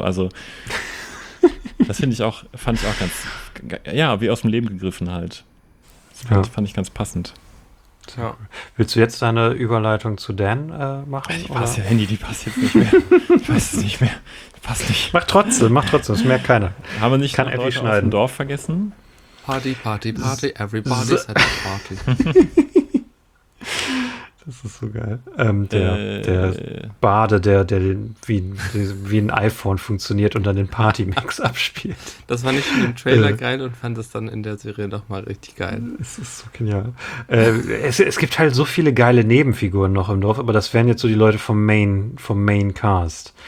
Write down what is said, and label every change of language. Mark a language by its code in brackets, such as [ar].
[de] Also das finde ich auch, fand ich auch ganz, ja, wie aus dem Leben gegriffen halt. Das fand ich ganz passend. Tja. Willst du jetzt deine Überleitung zu Dan machen? Ich weiß oder? Ja, Handy, die passt jetzt nicht mehr. Ich weiß es nicht mehr. Passt nicht. Mach trotzdem, das merkt keiner. Haben wir nicht kann noch Leute aus dem Dorf vergessen? [en] Party, everybody's at a party. [de] Das ist so geil. Der Bade, der wie ein iPhone funktioniert und dann den Party-Mix abspielt. Das fand ich im Trailer geil und fand es dann in der Serie nochmal richtig geil. Es ist so genial. Es gibt halt so viele geile Nebenfiguren noch im Dorf, aber das wären jetzt so die Leute vom Main Cast.